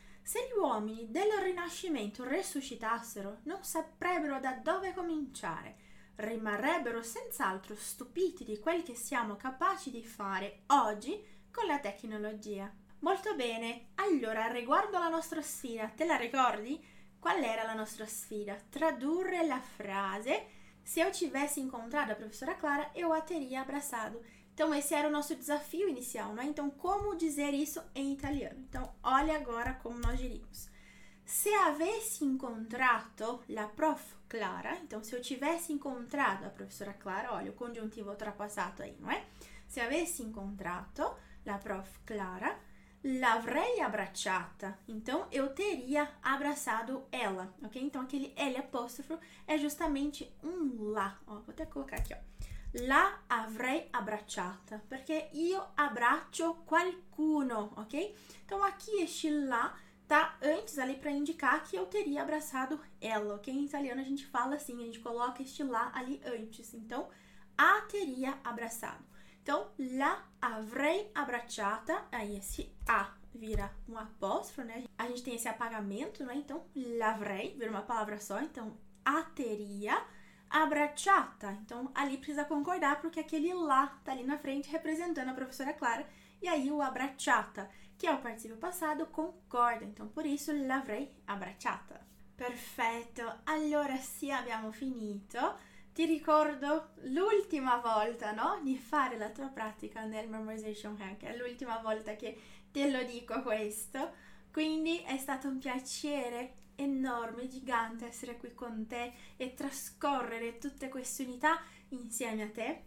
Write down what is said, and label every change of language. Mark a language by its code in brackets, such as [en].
[it] Se gli uomini del Rinascimento resuscitassero, non saprebbero da dove cominciare. Rimarrebbero senz'altro stupiti di quel che siamo capaci di fare oggi con la tecnologia. Molto bene, allora riguardo alla nostra sfida, te la ricordi? Qual era la nostra sfida? Tradurre la frase [pt] se eu tivesse incontrado a professora Clara, eu a teria abraçado. Então, esse era o nosso desafio inicial, não é? Então, como dizer isso em italiano? Então, olha agora como nós diríamos. [it] Se avessi incontrato la prof Clara, [pt] então, se eu tivesse incontrado a professora Clara, olha o congiuntivo ultrapassato aí, não é? [it] Se avessi incontrato la prof Clara, l'avrei abbracciata. [pt] Então, eu teria abraçado ela, ok? Então, aquele L apóstrofo é justamente um la, ó, vou até colocar aqui, ó. [it] La avrei abbracciata, perché io abbraccio qualcuno, ok? [pt] Então aqui este la antes ali para indicar que eu teria abraçado ela. Okay? Em italiano a gente fala assim, a gente coloca este lá ali antes. Então, a teria abraçado. [it] Então, la avrei abbracciata. [pt] Aí esse a vira um apóstrofo, né? A gente tem esse apagamento, né? Então, l'avrei vira uma palavra só. Então, a teria abbracciata. Então, ali precisa concordar porque aquele lá tá ali na frente representando a professora Clara. E aí, o abbracciata, que é o participio passado, concorda. Então, por isso, [it] l'avrei abbracciata. Perfetto. Allora, sì, abbiamo finito. Ti ricordo l'ultima volta, no? Di fare la tua pratica nel memorization hack. È l'ultima volta che te lo dico questo. Quindi è stato un piacere enorme, gigante, essere qui con te e trascorrere tutte queste unità insieme a te.